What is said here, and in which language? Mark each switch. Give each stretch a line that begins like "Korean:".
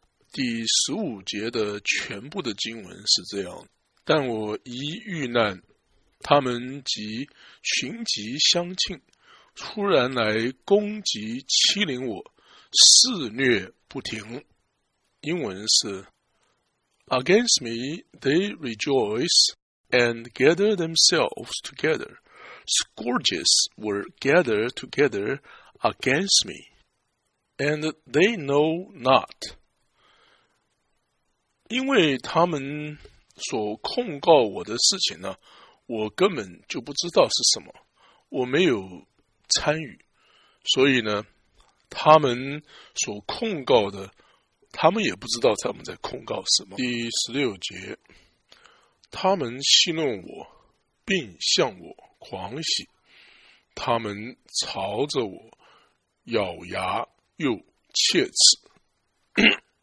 Chinese: 第十五节的全部的经文是这样，但我一遇难，他们即群集相庆，突然来攻击欺凌我，肆虐不停。英文是
English: Against me they rejoice and gather themselves together. Scourges were gathered together against me, and they know not.
Chinese: 因为他们所控告我的事情呢，我根本就不知道是什么，我没有参与，所以呢，他们所控告的，他们也不知道他们在控告什么。第十六节，他们戏弄我，并向我狂喜，他们朝着我咬牙又切齿。